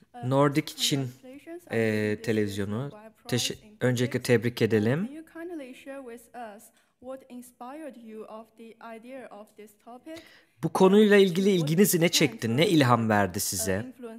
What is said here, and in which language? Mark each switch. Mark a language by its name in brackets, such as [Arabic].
[Turkish] Nordic Çin televizyonu. Öncelikle tebrik edelim. [English] Can you kindly share with us what inspired you of the idea of this topic? [Turkish] Bu konuyla ilgili ilginizi ne çekti, ne ilham verdi size?